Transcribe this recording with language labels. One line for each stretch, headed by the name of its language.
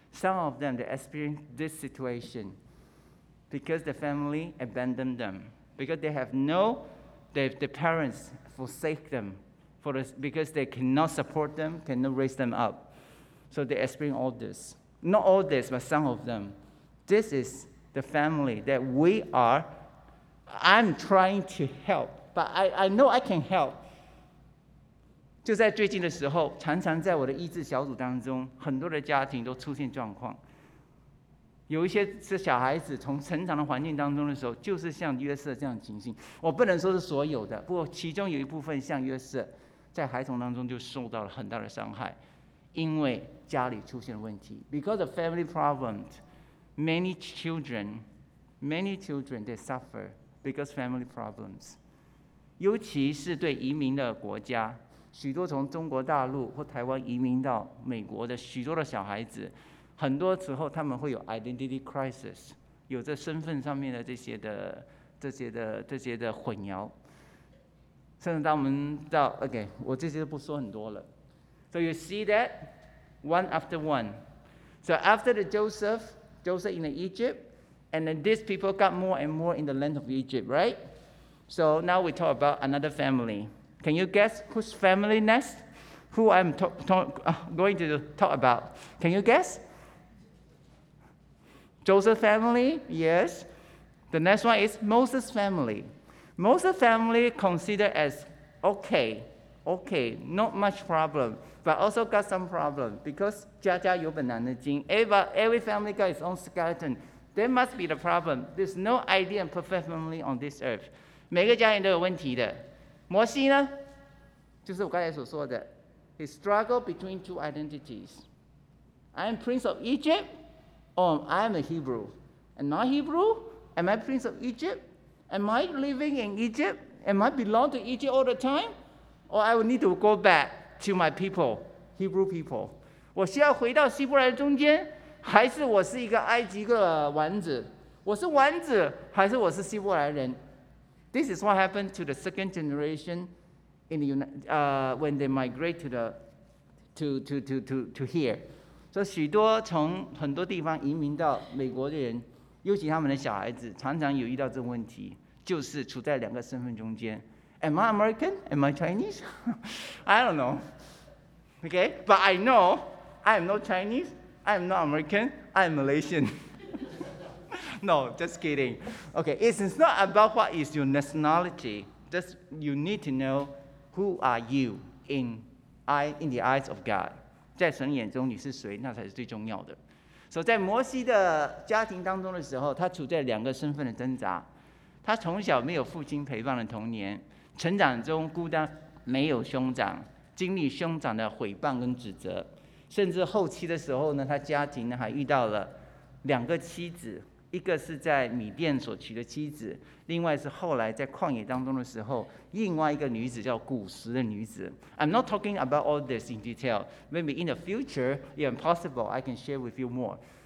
English: Some of them they experience this situation because the family abandoned them, because they have no, the parents forsake them for this, because they cannot support them, cannot raise them up. So they experience all this. Not all this, but some of them. This is the family that we are, I'm trying to help, but I know I can help.
Chinese: 就在最近的时候，常常在我的医治小组当中，很多的家庭都出现状况。有一些是小孩子从成长的环境当中的时候，就是像约瑟这样的情形。我不能说是所有的，不过其中有一部分像约瑟，在孩童当中就受到了很大的伤害，因为家里出现了问题。
English: Because of family problems, many children they suffer because family problems.
Chinese: 尤其是对移民的国家。许多从中国大陆或台湾移民到美国的许多的小孩子，很多时候他们会有 identity crisis， 有着身份上面的这些的混淆。甚至当我们到 OK， 我这些都不说很多了。
English: So you see that one after one. So after the Joseph in Egypt, and then these people got more and more in the land of Egypt, right? So now we talk about another family. Can you guess whose family next? Who I'm going to talk about? Can you guess? Joseph's family, yes. The next one is Moses' family. Moses' family considered as okay, not much problem, but also got some problem because
Chinese: 家家有本难念的经
English: every family got its own skeleton. There must be the problem. There's no idea of perfect family on this earth.
Chinese: 每个家庭都有问题的。摩西呢，就是我刚才所说的 ，
English: he struggled between two identities. I'm prince of Egypt, or I'm a Hebrew. Am I Hebrew? Am I prince of Egypt? Am I living in Egypt? Am I belong to Egypt all the time? Or I will need to go back to my people, Hebrew people.
Chinese: 我需要回到希伯来中间，还是我是一个埃及的王子？我是王子，还是我是希伯来人？
English: This is what happened to the second generation in the when they migrate to here.
Chinese: So 许多从很多地方移民到美国的人，尤其他们的小孩子，常常有遇到这个问题，就是处在两个身份中间。
English: Am I American? Am I Chinese? I don't know. Okay, but I know I am not Chinese. I am not American. I am Malaysian. No, just kidding. Okay, it's not about what is your nationality. Just you need to know who are you in the eyes of God.
Chinese: 在神眼中你是谁，那才是最重要的。所以在摩西的家庭当中的时候，他处在两个身份的挣扎。他从小没有父亲陪伴的童年，成长中孤单，没有兄长，经历兄长的毁谤跟指责，甚至后期的时候呢，他家庭呢还遇到了两个妻子。一个是在米甸所娶的妻子，另外是后来在旷野当中的时候，另外一个女子叫古实的女子。
English: I'm not talking about all this in detail. Maybe in the future, if possible, I can share with you more.